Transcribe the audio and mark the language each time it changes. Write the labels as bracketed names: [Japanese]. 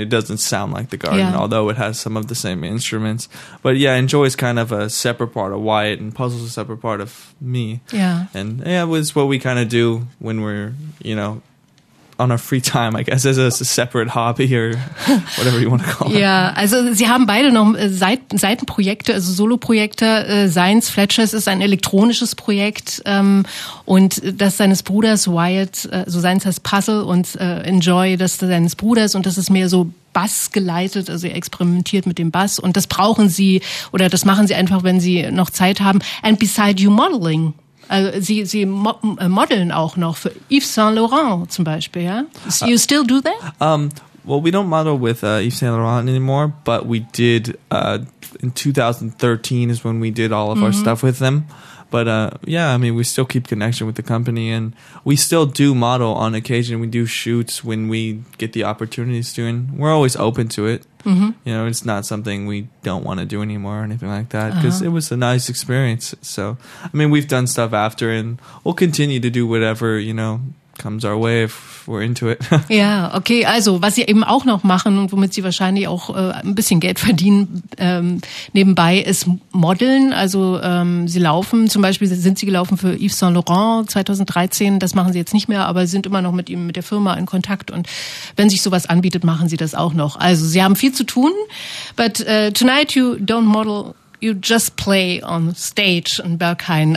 [English] It doesn't sound like The Garden, although it has some of the same instruments. But yeah, Enjoy is kind of a separate part of Wyatt, and Puzzle's a separate part of me. Yeah. And yeah, it was what we kind of do when we're, you know, on our free time, I guess, as a separate hobby or whatever you want to call it. [German] Yeah, also Sie haben beide noch Seitenprojekte, also Soloprojekte. Seins Fletchers ist ein elektronisches Projekt und das seines Bruders Wyatt, also seins heißt Puzzle und Enjoy, das seines Bruders und das ist mehr so Bass geleitet, also er experimentiert mit dem Bass und das brauchen Sie oder das machen Sie einfach, wenn Sie noch Zeit haben. [English] And beside you modeling. [German] Sie modeln auch noch für Yves Saint Laurent zum Beispiel, ja? [English] So you still do that? Well, we don't model with Yves Saint Laurent anymore, but we did in 2013 is when we did all of our stuff with them. But yeah, I mean, we still keep connection with the company and we still do model on occasion. We do shoots when we get the opportunities to, and we're always open to it. Mm-hmm. You know, it's not something we don't want to do anymore or anything like that because it was a nice experience. So, I mean, we've done stuff after and we'll continue to do whatever, you know, comes our way if we're into it. Yeah, okay. [German] Also, was Sie eben auch noch machen und womit Sie wahrscheinlich auch ein bisschen Geld verdienen nebenbei, ist Modeln. Also, Sie laufen, zum Beispiel sind Sie gelaufen für Yves Saint Laurent 2013. Das machen Sie jetzt nicht mehr, aber Sie sind immer noch mit ihm, mit der Firma in Kontakt. Und wenn sich sowas anbietet, machen Sie das auch noch. Also, Sie haben viel zu tun. [English] But tonight you don't model, you just play on stage in Berghain.